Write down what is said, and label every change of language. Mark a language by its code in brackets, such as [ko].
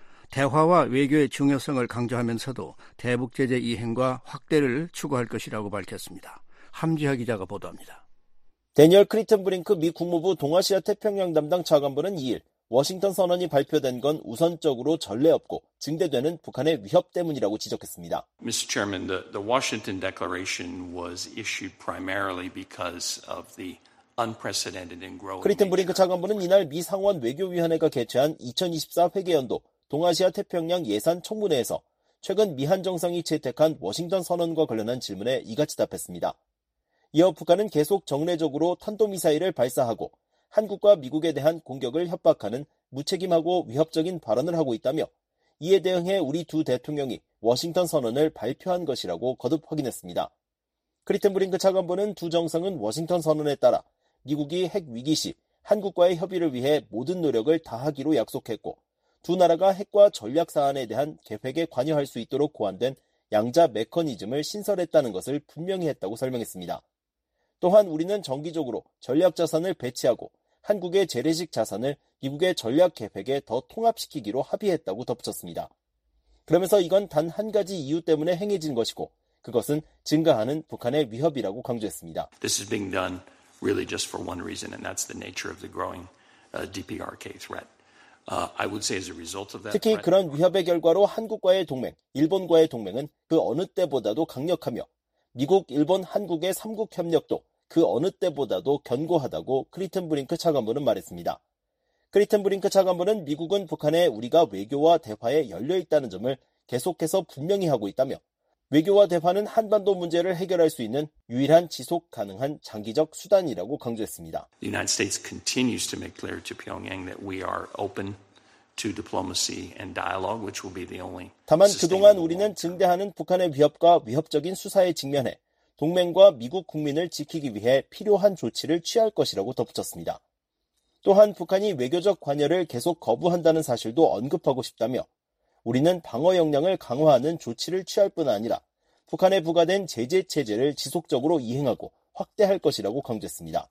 [ko] 대화와 외교의 중요성을 강조하면서도 대북 제재 이행과 확대를 추구할 것이라고 밝혔습니다. 함지하 기자가 보도합니다. 대니얼 크리텐브링크 미 국무부 동아시아 태평양 담당 차관보는 2일 워싱턴 선언이 발표된 건 우선적으로 전례 없고 증대되는 북한의 위협 때문이라고 지적했습니다. [en] Mr. Chairman, the Washington Declaration was issued primarily because of the unprecedented and growing. [ko] 크리텐브링크 차관보는 이날 미 상원 외교위원회가 개최한 2024 회계연도 동아시아 태평양 예산 총문회에서 최근 미한 정상이 채택한 워싱턴 선언과 관련한 질문에 이같이 답했습니다. 이어 북한은 계속 정례적으로 탄도미사일을 발사하고 한국과 미국에 대한 공격을 협박하는 무책임하고 위협적인 발언을 하고 있다며 이에 대응해 우리 두 대통령이 워싱턴 선언을 발표한 것이라고 거듭 확인했습니다. 크리튼 브링크 차관보는 두 정상은 워싱턴 선언에 따라 미국이 핵 위기 시 한국과의 협의를 위해 모든 노력을 다하기로 약속했고 두 나라가 핵과 전략 사안에 대한 계획에 관여할 수 있도록 고안된 양자 메커니즘을 신설했다는 것을 분명히 했다고 설명했습니다. 또한 우리는 정기적으로 전략 자산을 배치하고 한국의 재래식 자산을 미국의 전략 계획에 더 통합시키기로 합의했다고 덧붙였습니다. 그러면서 이건 단 한 가지 이유 때문에 행해진 것이고 그것은 증가하는 북한의 위협이라고 강조했습니다. [en] This is being done really just for one reason and that's the nature of the growing DPRK threat. I would say as a result of that [ko] 특히 그런 위협의 결과로 한국과의 동맹, 일본과의 동맹은 그 어느 때보다도 강력하며 미국, 일본, 한국의 3국 협력도 그 어느 때보다도 견고하다고 크리튼 브링크 차관보는 말했습니다. 크리튼 브링크 차관보는 미국은 북한에 우리가 외교와 대화에 열려있다는 점을 계속해서 분명히 하고 있다며 외교와 대화는 한반도 문제를 해결할 수 있는 유일한 지속 가능한 장기적 수단이라고 강조했습니다. [en] The United States continues to make clear to Pyongyang that we are open to diplomacy and dialogue, which will be the only. [ko] 다만 그동안 우리는 증대하는 북한의 위협과 위협적인 수사에 직면해 동맹과 미국 국민을 지키기 위해 필요한 조치를 취할 것이라고 덧붙였습니다. 또한 북한이 외교적 관여를 계속 거부한다는 사실도 언급하고 싶다며 우리는 방어 역량을 강화하는 조치를 취할 뿐 아니라 북한에 부과된 제재 체제를 지속적으로 이행하고 확대할 것이라고 강조했습니다.